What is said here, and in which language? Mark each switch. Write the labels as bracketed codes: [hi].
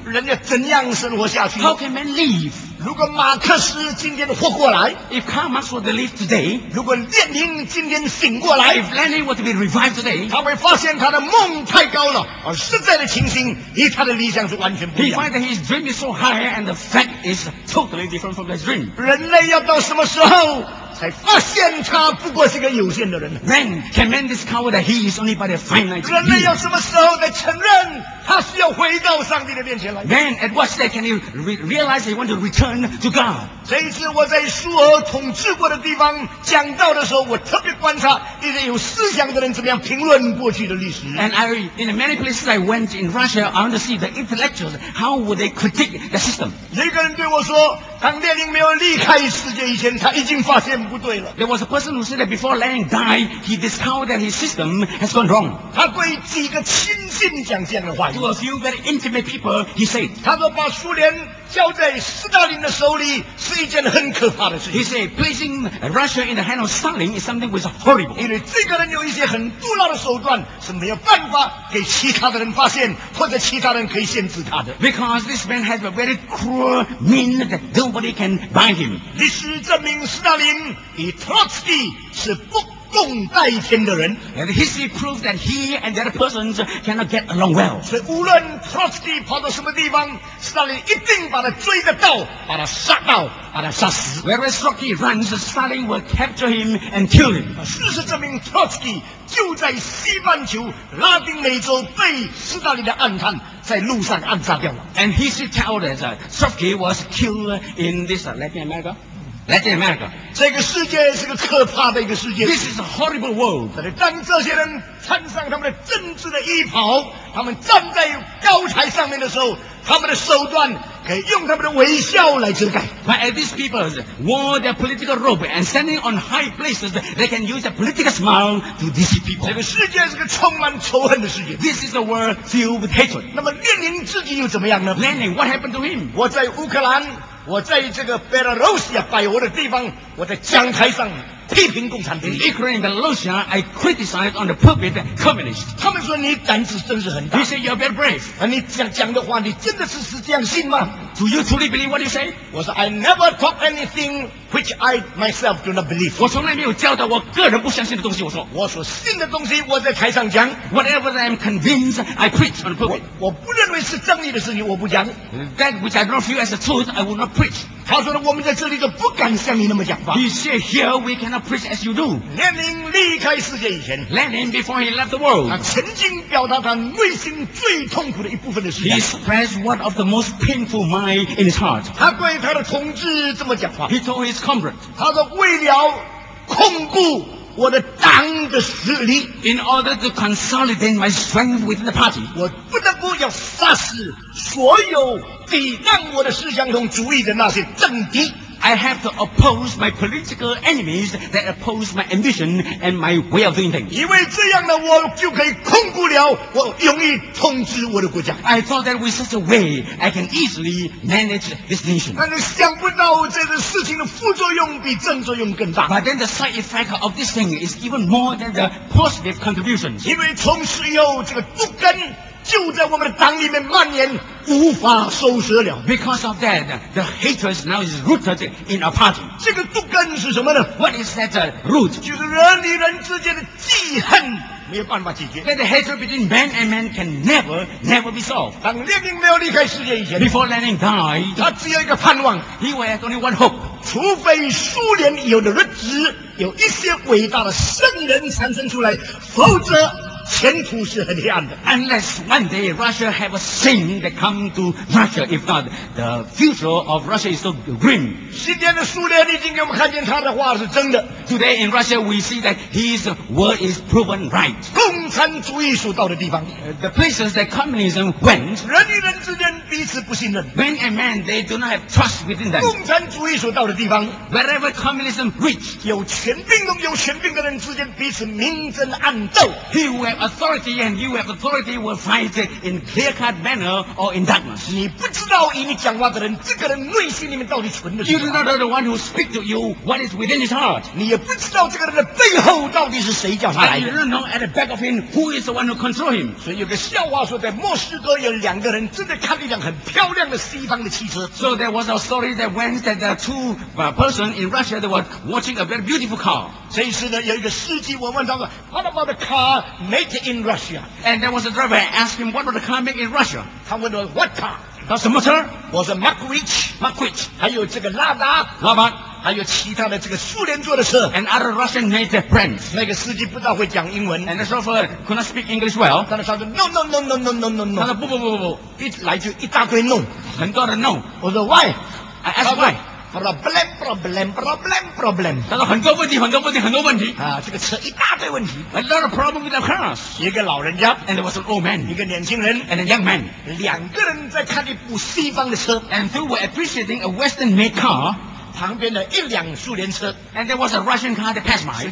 [zh] 人家怎样生活下去 [en] ？How can men live? [zh] 如果马克思今天活过来 [en] ，If Karl Marx were to live today， [zh] 如果列宁今天醒过来 [en] ，If Lenin were to be revived today， [zh] 他会发现他的梦太高了，而实在的情形与他的理想是完全不一样。 [en] He finds that his dream is so high and the fact is totally different from his dream。 [zh] 人类要到什么时候才发现他不过是个有限的人 [en] ？When can man discover that he is only but a finite being？ [zh] 人类要什么时候才承认？他需要回到上帝的面前来。 [en] Man, at what stage can you realize you want to return to God? [zh] 这一次我在苏俄统治过的地方讲道的时候，我特别观察一些有思想的人怎么样评论过去的历史。 [en] And in many places I went in Russia, I want to see the intellectuals how would they critique the system. [zh] 有一个人对我说，当列宁没有离开世界以前，他已经发现不对了。 [en] There was a person who said that before Lenin died, he discovered that his system has gone wrong. [zh] 他对几个亲信讲这样的话。 [en] To a few very intimate people, he said. [zh] 他说把苏联交在斯大林的手里是一件很可怕的事情。 [en] He said placing Russia in the hands of Stalin is something which is horrible. [zh] 因为这个人有一些很毒辣的手段是没有办法给其他的人发现，或者其他人可以限制他的。 [en] Because this man has a very cruel mean that nobody can bind him. [zh] 历史证明斯大林与Trotsky是不。共戴天的人 [en] ，and history proves that he and the other persons cannot get along well. [zh] 所以无论 Trotsky 跑到什么地方 ，Stalin 一定把他追得到，把他杀到，把他杀死。 [en] Whereas Trotsky runs, Stalin will capture him and kill him. [zh] 事实证明 ，Trotsky 就在西半球拉丁美洲被斯大林的暗探在路上暗杀掉了。 [en] And history tells that Trotsky was killed in this Latin America. Latin America. [zh] 这个世界是个可怕的一个世界。 [en] This is a horrible world. [zh] 但是当这些人穿上他们的政治的衣袍，他们站在高台上面的时候，他们的手段可以用他们的微笑来遮盖。 [en] But as these people wore their political robe and standing on high places, they can use their political smile to deceive people. [zh] 这个世界是个充满仇恨的世界。 [en] This is a world filled with hatred. [zh] 那么列宁自己又怎么样呢 [en] ？Lenin, what happened to him? [zh] 我在乌克兰。我在这个 Belarusia 摆我的地方，我在讲台上批评共产党。 [en] In Ukraine, Belarusia, I criticized on the pulpit communist. [zh] 他们说你胆子真是很大。 [en] He said you're very brave. [zh] 你讲的话，你真的是这样信吗？ [en] Do you truly believe what you say? [zh] 我说 [en] I never talk anything which I myself do not believe. [zh] 我从来没有教导我个人不相信的东西。我所信的东西，我在台上讲。 [en] Whatever I am convinced, I preach on the pulpit. [zh] 我不认为是正义的事情，我不讲。 [en] That which I do not feel as a truth, I will not preach. [zh] 他说我们在这里就不敢像你那么讲话。 [en] He said here we cannot preach as you do. [zh] Lenin 离开世界以前 [en] ，Lenin before he left the world， [zh] 他曾经表达他内心最痛苦的一部分的事情。 [en] He expressed one of the most painful mind in his heart. [zh] 他对他的同志这么讲话。 [en] He told his comrade， [zh] 他说为了控股我的党的实力 [en] in order to consolidate my strength within the party. [zh] 我不能够要杀死所有抵挡我的思想统主义的那些政敌。 [en] I have to oppose my political enemies that oppose my ambition and my way of doing things. [zh] 因为这样呢，我就可以控制了，我容易统治我的国家。 [en] I thought that with such a way, I can easily manage this nation. [zh] 但是想不到这个事情的副作用比正作用更大。 [en] But then the side effect of this thing is even more than the positive contributions. [zh] 因为从此以后，这个毒根就在我们的党里面蔓延。无法收拾了 [en] Because of that, the hatred now is rooted in our party. [zh] 这个毒根是什么呢 [en] What is that root? [zh] 就是人与人之间的记恨没有办法解决 [en] That the hatred between man and man can never, never be solved. [zh] 当列宁没有离开世界以前 [en] Before Lenin died, [zh] 他只有一个盼望 [en] He had only one hope. [zh] 除非苏联有的日子有一些伟大的圣人产生出来否则前途是很黑暗的 [en] Unless one day Russia have a saint that come to Russia If not, the future of Russia is so grim [zh] 今天的苏联已经给我们看见他的话是真的 [en] Today in Russia we see that his word is proven right [zh] 共产主义所到的地方 [en] The places that communism went [zh] 人与人之间彼此不信任 [en] Man and man, they do not have trust within them [zh] 共产主义所到的地方 [en] Wherever communism reached [zh] 有权柄跟有权柄的人之间彼此明争暗斗 [en] He will have authority and you have authority will fight in clear-cut manner or in darkness. [zh] 你不知道与你讲话的人，这个人内心里面到底存的是什么。 [en] You do not know the one who speak to you what is within his heart. [zh] 你也不知道这个人的背后到底是谁叫他来的。 [en] And you don't know at the back of him who is the one who control him. [zh] 所以有个笑话说，在莫斯科有两个人正在看一辆很漂亮的西方的汽车。 [en] So there was a story that went that the two person in Russia they were watching a very beautiful car. [zh] 这一次呢，有一个司机我问他说 ， [en] What about the car? Made in Russia. And there was a driver asked him, what was the car made in Russia? [zh] 他问了 [en] what car? [zh] 他什么车 [en] Was a Makovich. Makovich. [zh] 还有这个拉达 [en] Lada. [zh] 还有其他的这个苏联做的车 [en] And other Russian made brands. [zh] 那个司机不大会讲英文 [en] And the chauffeur could not speak English well. [zh] 他说 [en] No. [zh] 他说不不不不不一来就一大堆 [en] no. [zh] 很多的 [en] no. [zh] 我说 [en] why? I asked why. Problem. [zh] 他说很多问题，很多问题，很多问题。啊，这个车一大堆问题。 [en] A lot of problem with the cars. [zh] 一个老人家 [en] ，and there was an old man. [zh] 一个年轻人 [en] ，and a young man. [zh] 两个人在看一部西方的车 [en] ，and they were appreciating a Western-made car. [zh] 旁边的一辆苏联车 [en] ，and there was a Russian car that passed by.